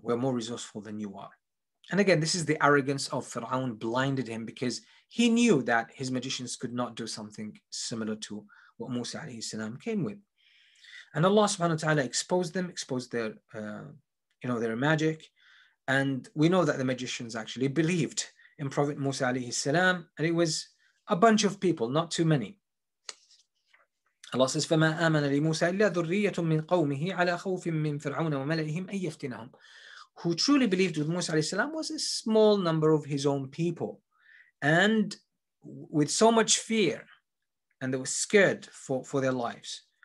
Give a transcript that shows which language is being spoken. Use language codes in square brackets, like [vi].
[en] We're more resourceful than you are. And again, this is the arrogance of Fir'aun blinded him, because he knew that his magicians could not do something similar to what Musa alayhi salam came with. And Allah subhanahu wa ta'ala exposed their, you know, their magic. And we know that the magicians actually believed in Prophet Musa alayhi salam, and it was a bunch of people, not too many. [ar] Allah says, فَمَا آمَنَ لِمُوسَى إِلَّا ذُرِّيَّةٌ مِّن قَوْمِهِ عَلَىٰ خَوْفٍ مِّن فِرْعَوْنَ وَمَلَئِهِمْ أَن يَفْتِنَهُمْ. [en] Who truly believed with Musa alayhi salam was a small number of his own people. And with so much fear, and they were scared for their lives.